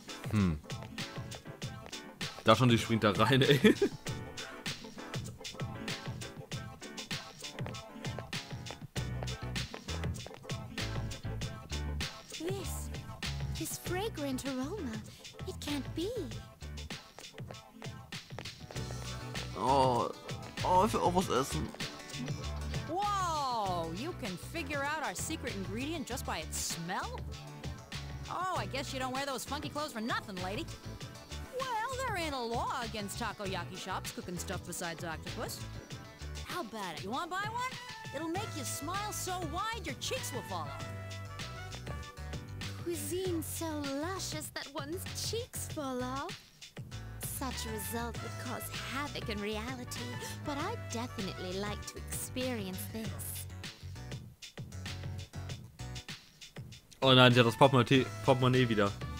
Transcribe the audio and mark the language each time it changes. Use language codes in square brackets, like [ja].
[de] Hm. Da schon, die springt da rein, ey. [en] This fragrant aroma, it can't be. [de] Oh, ich will auch was essen. [en] Wow, you can figure out our secret ingredient just by its smell? Oh, I guess you don't wear those funky clothes for nothing, lady. Well, there ain't a law against takoyaki shops cooking stuff besides octopus. How about it? You want to buy one? It'll make you smile so wide your cheeks will fall off. Cuisine so luscious that one's cheeks fall off. Such a result would cause havoc in reality, but I'd definitely like to experience this. [de] Oh nein, sie hat das Portemonnaie wieder.